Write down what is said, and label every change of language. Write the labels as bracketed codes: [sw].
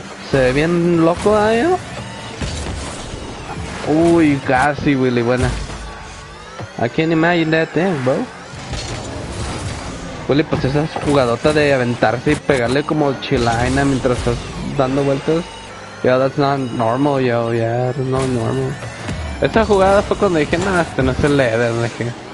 [es] Se ve bien loco ahí, ¿no? Uy, casi, Willy, buena. [en] I can't imagine that thing, bro. [es] Willy, pues esa jugadota de aventarse y pegarle como chilaina mientras estás dando vueltas. [en] Yo, that's not normal, yo, yeah, that's not normal. [es] Esa jugada fue cuando dije, nah, este no es el Eden, dije.